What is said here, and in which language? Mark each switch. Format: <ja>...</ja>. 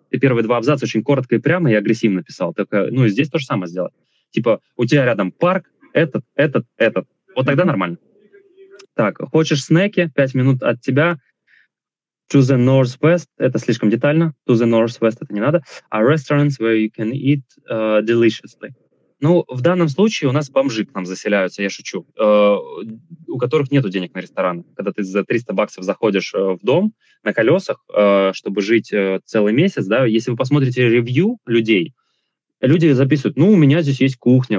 <ru>Ты первые два абзаца очень коротко и прямо и агрессивно писал. Только, ну, и здесь то же самое сделать. Типа, у тебя рядом парк, этот, этот, этот. Вот тогда нормально. Так, хочешь снеки? 5 минут от тебя.</ru> <en>To the northwest.</en> <ru>Это слишком детально.</ru> <en>To the northwest</en> <ru>это не надо.</ru> <en>A restaurant where you can eat deliciously.</en> <ru>Ну, в данном случае у нас бомжи к нам заселяются, я шучу, у которых нету денег на рестораны. Когда ты за 300 баксов заходишь в дом на колесах, чтобы жить целый месяц, да, если вы посмотрите ревью людей, люди записывают, ну, у меня здесь есть кухня.</ru>